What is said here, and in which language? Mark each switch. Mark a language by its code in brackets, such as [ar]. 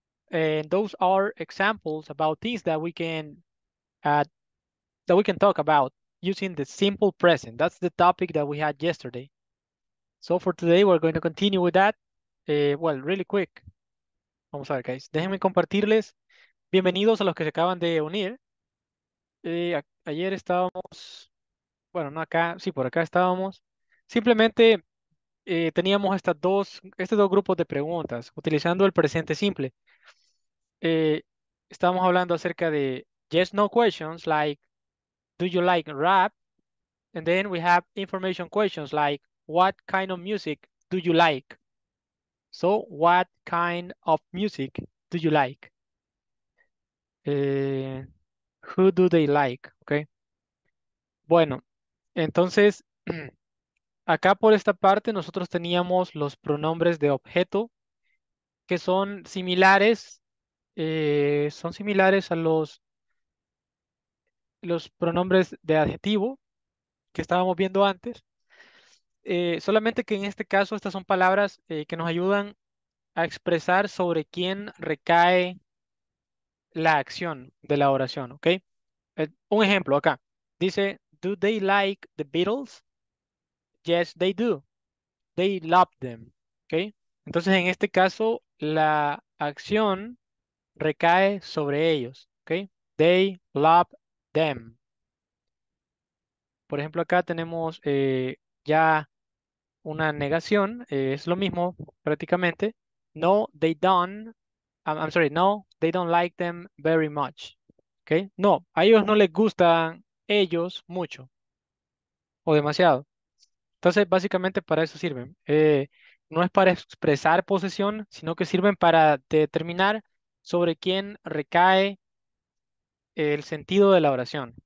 [en] And those are examples about things that we can talk about using the simple present. That's the topic that we had yesterday. So for today, we're going to continue with that. Well, really quick. [es] Vamos a ver, guys. Déjenme compartirles. Bienvenidos a los que se acaban de unir. Ayer estábamos, bueno, no acá, sí, por acá estábamos. Simplemente teníamos estos dos grupos de preguntas utilizando el presente simple. Estábamos hablando acerca de [en] yes, no questions, like do you like rap? And then we have information questions like, what kind of music do you like? So, what kind of music do you like? Who do they like? Okay. [es] Bueno, entonces, acá por esta parte nosotros teníamos los pronombres de objeto que son similares a los pronombres de adjetivo que estábamos viendo antes. solamente que en este caso estas son palabras que nos ayudan a expresar sobre quién recae la acción de la oración, ¿ok? Un ejemplo acá. Dice, [en] do they like the Beatles? Yes, they do. They love them, ¿ok? [es] Entonces, en este caso, la acción recae sobre ellos, ¿ok? [en] They love them. [es] Por ejemplo, acá tenemos ya una negación. Es lo mismo, prácticamente. [en] No, they don't. I'm sorry, no, they don't like them very much. Okay? [es] No, a ellos no les gustan ellos mucho. O demasiado. Entonces, básicamente para eso sirven. No es para expresar posesión, sino que sirven para determinar sobre quién recae el sentido de la oración.